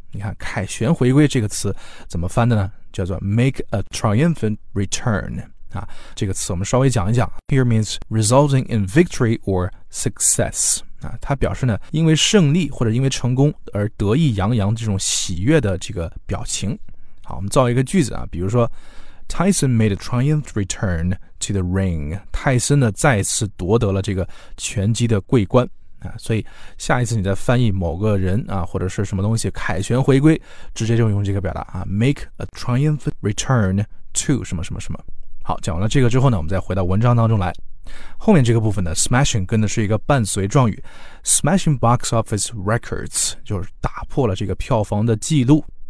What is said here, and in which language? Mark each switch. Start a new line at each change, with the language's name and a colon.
Chinese: 你看凯旋回归这个词怎么翻的呢，叫做 make a triumphant return。啊，这个词我们稍微讲一讲 ，
English: here means resulting in victory or success
Chinese: 啊，它表示呢因为胜利或者因为成功而得意洋洋这种喜悦的这个表情。好，我们造一个句子啊，比如说
English: Tyson made a triumph return to the ring.
Chinese: 泰森呢再次夺得了这个拳击的桂冠。所以下一次你在翻译某个人啊或者是什么东西凯旋回归，直接就用这个表达啊 ,
English: make a triumph return to
Chinese: 什么什么什么。好，讲完了这个之后呢，我们再回到文章当中来。后面这个部分呢 ,smashing 跟的是一个伴随状语 ,
English: smashing box office records,
Chinese: 就是打破了这个票房的记录。